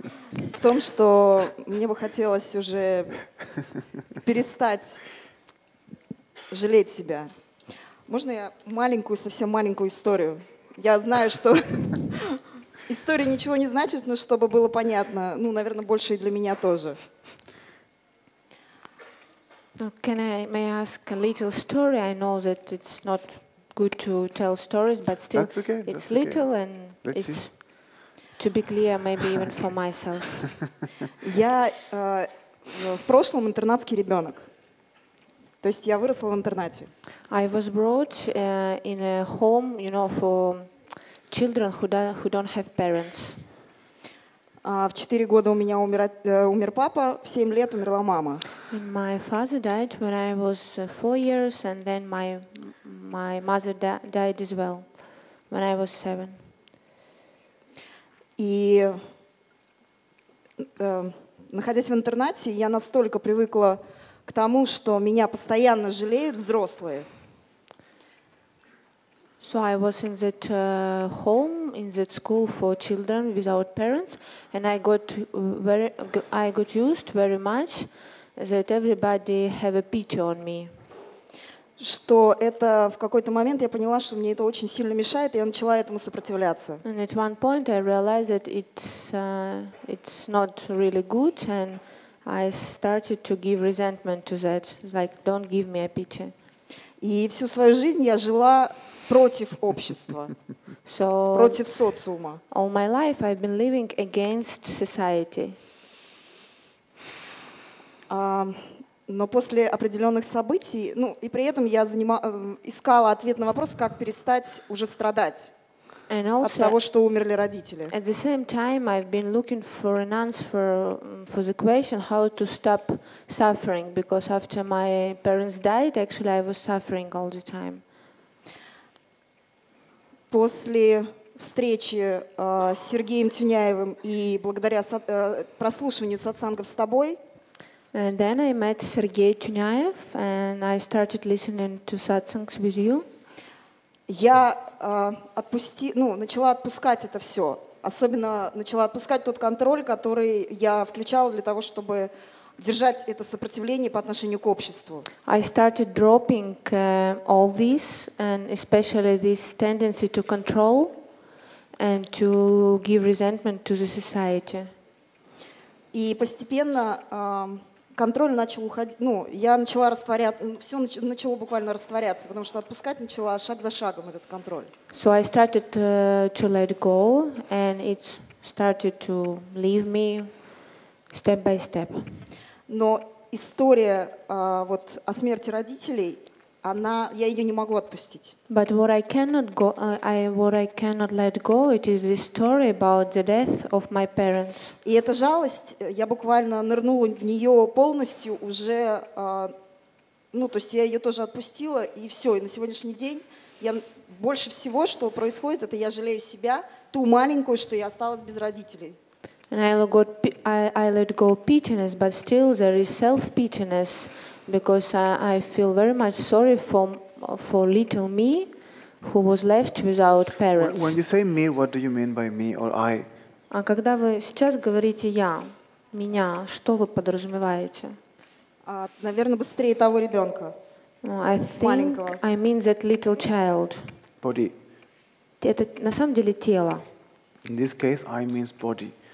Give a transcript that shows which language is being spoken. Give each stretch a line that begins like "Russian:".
Russian: В том, что мне бы хотелось уже перестать жалеть себя. Можно я маленькую, совсем маленькую историю? Я знаю, что история ничего не значит, но чтобы было понятно, ну, наверное, больше и для меня тоже.
English: May I ask a little story? I know that it's not good to tell stories, but still, it's little and it's to be clear, maybe even for myself.
Russian: Я в прошлом интернатский ребенок. То есть я выросла в интернате.
English: I was brought in a home, you know, for children who don't have parents.
Russian: В 4 года у меня умер папа, в 7 лет умерла мама.
English: And my father died when I was 4 years, and then my mother died as well when I was 7.
Russian: И находясь в интернате, я настолько привыкла к тому, что меня постоянно жалеют взрослые.
English: So I was in that home, in that school for children without parents, and I got used very much that everybody have a pity on me.
Russian: Что это в какой-то момент я поняла, что мне это очень сильно мешает, и я начала этому сопротивляться.
English: And at one point I realized that it's not really good and I started to give resentment to that, like don't give me a pity.
Russian: И всю свою жизнь я жила против общества, против социума.
English: All my life I've been living against society.
Russian: Но после определенных событий, ну и при этом я искала ответ на вопрос, как перестать уже страдать.
English: And also,
Russian: от того, что умерли родители.
English: At the same time, I've been looking for an answer for the question how to stop suffering, because after my parents died, actually, I was suffering all the time.
Russian: После встречи с Сергеем Тюняевым и благодаря прослушиванию сатсангов с тобой.
English: And then I met Сергей Тюняев, and I started listening to satsangs with you.
Russian: Я начала отпускать это все. Особенно начала отпускать тот контроль, который я включала для того, чтобы держать это сопротивление по отношению к обществу.
English: I started dropping all this, and especially this tendency to control and to give resentment to the society.
Russian: И постепенно контроль начал уходить, ну, я начала растворяться, все начало буквально растворяться, потому что отпускать начала шаг за шагом этот контроль.
English: So I started to let go, and it started to leave me step by step.
Russian: Но история вот о смерти родителей, она, я ее не могу отпустить.
English: But what I cannot let go, it is the story about the death of my parents.
Russian: И эта жалость, я буквально нырнула в нее полностью уже, ну, то есть я ее тоже отпустила, и все. И на сегодняшний день я больше всего, что происходит, это я жалею себя, ту маленькую, что я осталась без родителей.
English: And I let go pettiness, but still there is self-pettiness, because I feel very much sorry for little me, who was left without parents. When you say me, what do you mean by me or I?
Russian: А когда вы сейчас говорите я, меня, что вы подразумеваете? Наверное, быстрее того ребенка.
English: I think I mean that little child. Body.
Russian: Это на самом деле тело.
English: In this case, I means body.